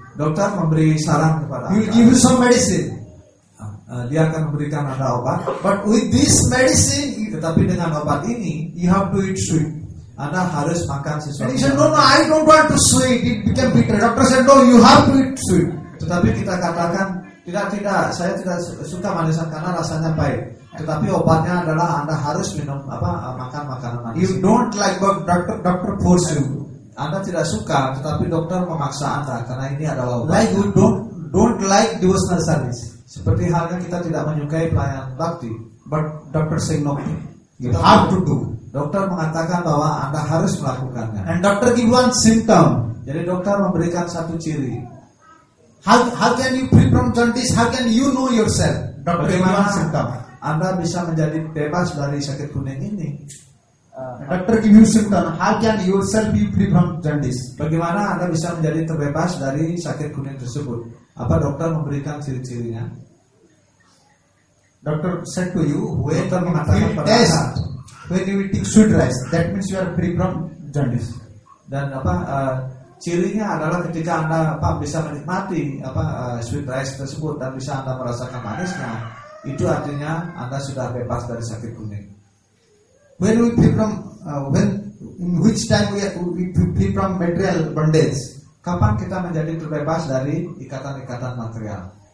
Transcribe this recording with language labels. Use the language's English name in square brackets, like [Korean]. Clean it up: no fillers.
[Indonesian] Dokter memberi saran kepada [English] you. Give you some medicine. [Indonesian] Dia akan memberikan anda obat. [English] But with this medicine, [Indonesian] tetapi dengan obat ini, [English] you have to eat sweet. [Indonesian] Anda harus makan sesuatu. [English] And he said, no, I don't want to sweet. It became bitter. Doctor said, no, you have to eat sweet. [Indonesian] Tetapi kita katakan, tidak, saya tidak suka manisan karena rasanya pahit. Tetapi obatnya adalah Anda harus minum apa, makan makanan manis. [English] You don't like what doctor force you. [Indonesian] Anda tidak suka, tetapi dokter memaksa Anda karena ini adalah obat. [English] Like you don't like devotional service. [Indonesian] Seperti halnya kita tidak menyukai pelayanan bhakti, [English] but doctor saying no, you have to do. [Indonesian] Dokter mengatakan bahwa Anda harus melakukannya. [English] And doctor give one symptom. [Indonesian] Jadi dokter memberikan satu ciri. [English] How can you free from jaundice? How can you know yourself? Doctor give one symptom. [Indonesian] Anda bisa menjadi bebas dari sakit kuning ini. [English] Doctor give you symptom. How can yourself be free from jaundice? [Indonesian] Bagaimana Anda bisa menjadi terbebas dari sakit kuning tersebut? Apa dokter memberikan ciri-cirinya? [English] Doctor said to you, wait, [Indonesian] dokter mengatakan pada [English] Anda, when you eat sweet rice, that means you are free from jaundice. [Indonesian] Dan apa cirinya adalah ketika Anda apa bisa menikmati apa sweet rice tersebut dan bisa Anda merasakan manisnya, itu artinya Anda sudah bebas dari sakit kuning. [English] When we free from when in which time we are free from material bondage? [Indonesian] Kapan kita menjadi terbebas dari ikatan-ikatan material?